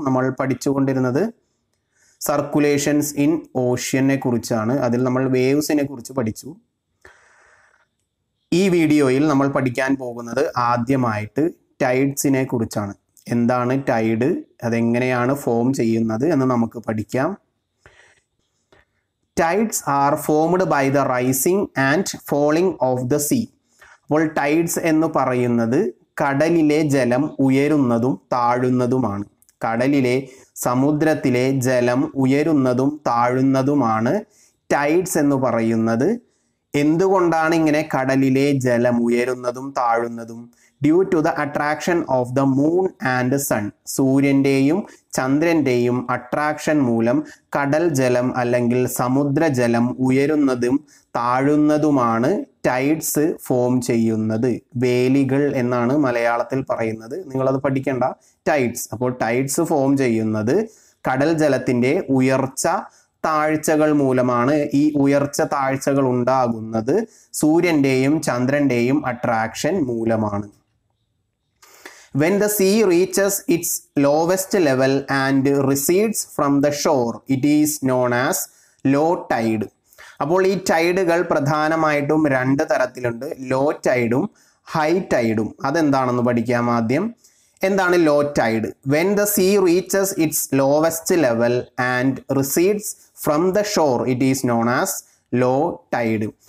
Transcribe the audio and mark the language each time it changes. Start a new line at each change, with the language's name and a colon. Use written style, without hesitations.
Malayalam: നമ്മൾ പഠിച്ചുകൊണ്ടിരുന്നത് circulations in ഓഷ്യനെ കുറിച്ചാണ്. അതിൽ നമ്മൾ വേവ്സിനെ കുറിച്ച് പഠിച്ചു. ഈ വീഡിയോയിൽ നമ്മൾ പഠിക്കാൻ പോകുന്നത് ആദ്യമായിട്ട് ടൈഡ്സിനെ കുറിച്ചാണ്. എന്താണ് ടൈഡ്, അതെങ്ങനെയാണ് ഫോം ചെയ്യുന്നത് എന്ന് നമുക്ക് പഠിക്കാം.
English: Tides are formed by the rising and falling of the sea.
Malayalam: അപ്പോൾ ടൈഡ്സ് എന്ന് പറയുന്നത് കടലിലെ ജലം ഉയരുന്നതും താഴുന്നതുമാണ്. കടലിലെ സമുദ്രത്തിലെ ജലം ഉയരുന്നതും താഴുന്നതുമാണ് ടൈഡ്സ് എന്ന് പറയുന്നത്. എന്തുകൊണ്ടാണ് ഇങ്ങനെ കടലിലെ ജലം ഉയരുന്നതും താഴുന്നതും?
English: Due to the attraction of the moon and the sun.
Malayalam: സൂര്യൻ്റെയും ചന്ദ്രൻ്റെയും attraction മൂലം കടൽ ജലം അല്ലെങ്കിൽ സമുദ്ര ജലം ഉയരുന്നതും താഴുന്നതുമാണ് ടൈഡ്സ് ഫോം ചെയ്യുന്നത്. വേലികൾ എന്നാണ് മലയാളത്തിൽ പറയുന്നത്, നിങ്ങളത് പഠിക്കേണ്ട. ടൈഡ്സ്, അപ്പോൾ ടൈഡ്സ് ഫോം ചെയ്യുന്നത് കടൽ ജലത്തിൻ്റെ ഉയർച്ച താഴ്ചകൾ മൂലമാണ്. ഈ ഉയർച്ച താഴ്ചകൾ ഉണ്ടാകുന്നത് സൂര്യൻ്റെയും ചന്ദ്രൻ്റെയും അട്രാക്ഷൻ മൂലമാണ്.
English: When the sea reaches its lowest level and recedes from the shore, it is known as low tide.
Malayalam: അപ്പോൾ ഈ ടൈഡുകൾ പ്രധാനമായിട്ടും രണ്ട് തരത്തിലുണ്ട്, ലോ ടൈഡും ഹൈ ടൈഡും. അതെന്താണെന്ന് പഠിക്കാം ആദ്യം. എന്താണ് law Tide?
English: When the sea reaches its lowest level and recedes from the shore, it is known as low tide.